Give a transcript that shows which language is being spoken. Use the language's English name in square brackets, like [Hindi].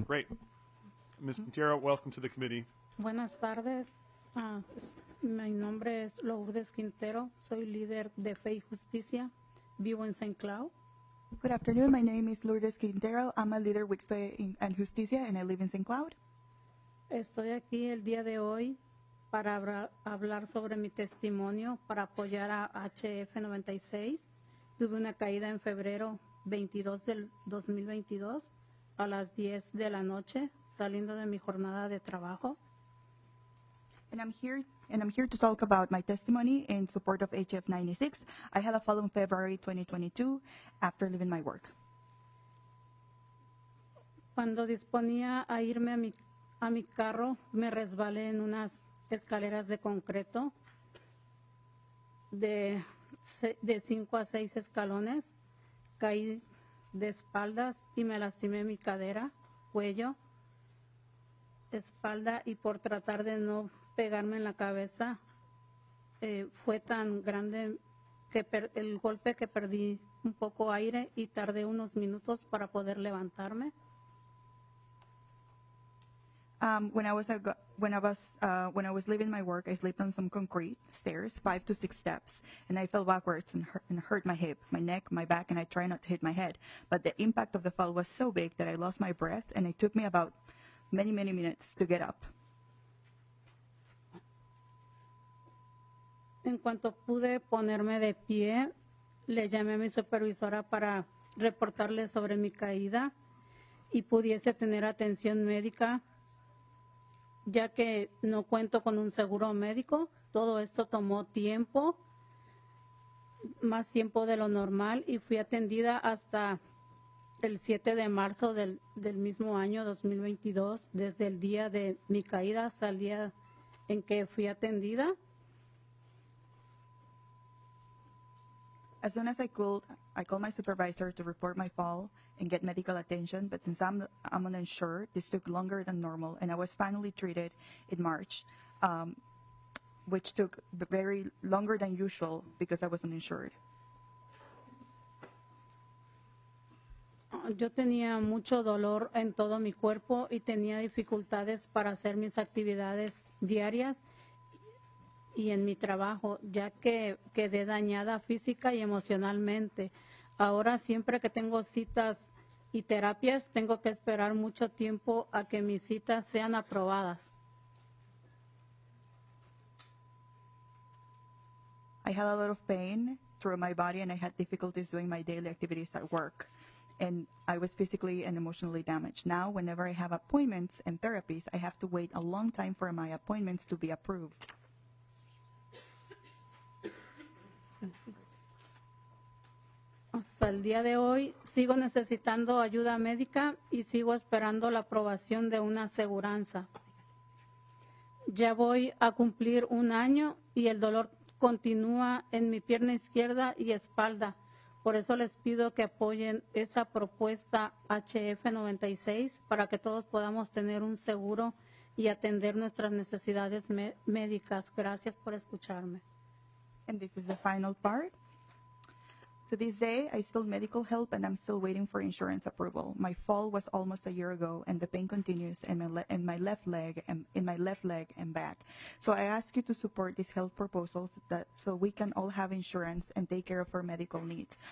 [English] Great. Ms. Quintero, welcome to the committee. [Spanish] Buenas tardes. My nombre es Lourdes Quintero. Soy líder de Fe y Justicia. Vivo en St. Cloud. [English] Good afternoon. My name is Lourdes Quintero. I'm a leader with Fe and Justicia, and I live in St. Cloud. [Spanish] Estoy aquí el día de hoy para hablar sobre mi testimonio para apoyar a HF 96. Tuve una caída en febrero 22 del 2022 a las 10 de la noche, saliendo de mi jornada de trabajo. [English] And I'm here to talk about my testimony in support of HF 96. I had a fall in February 2022 after leaving my work. [Spanish] Cuando disponía a irme a mi carro, me resbalé en unas escaleras de concreto de 5 a 6 escalones. Caí de espaldas y me lastimé mi cadera, cuello, espalda, y por tratar de no pegarme en la cabeza, fue tan grande que el golpe que perdí un poco aire y tardé unos minutos para poder levantarme. [English] When I was leaving my work, I slipped on some concrete stairs, 5 to 6 steps, and I fell backwards and hurt my hip, my neck, my back, and I tried not to hit my head. But the impact of the fall was so big that I lost my breath, and it took me about many, many minutes to get up. [Spanish] En cuanto pude ponerme de pie, le llamé a mi supervisora para reportarle sobre mi caída y pudiese tener atención médica, ya que no cuento con un seguro médico. Todo esto tomó tiempo, más tiempo de lo normal, y fui atendida hasta el 7 de marzo del mismo año 2022, desde el día de mi caída hasta el día en que fui atendida. [English] As soon as I could, I called my supervisor to report my fall and get medical attention, but since I'm uninsured, this took longer than normal, and I was finally treated in March, which took very longer than usual because I was uninsured. [Spanish] Yo tenía mucho dolor en todo mi cuerpo y tenía dificultades para hacer mis actividades diarias y en mi trabajo, ya que quedé dañada física y emocionalmente. Ahora, siempre que tengo citas y terapias, tengo que esperar mucho tiempo a que mis citas sean aprobadas. [English] I had a lot of pain through my body, and I had difficulties doing my daily activities at work, and I was physically and emotionally damaged. Now, whenever I have appointments and therapies, I have to wait a long time for my appointments to be approved. [Spanish] Hasta el día de hoy sigo necesitando ayuda médica y sigo esperando la aprobación de una aseguranza. Ya voy a cumplir un año y el dolor continúa en mi pierna izquierda y espalda. Por eso les pido que apoyen esa propuesta HF 96 para que todos podamos tener un seguro y atender nuestras necesidades médicas. Gracias por escucharme. [English] And this is the final part. To this day, I still need medical help, and I'm still waiting for insurance approval. My fall was almost a year ago, and the pain continues in my left leg and back. So I ask you to support these health proposals so we can all have insurance and take care of our medical needs.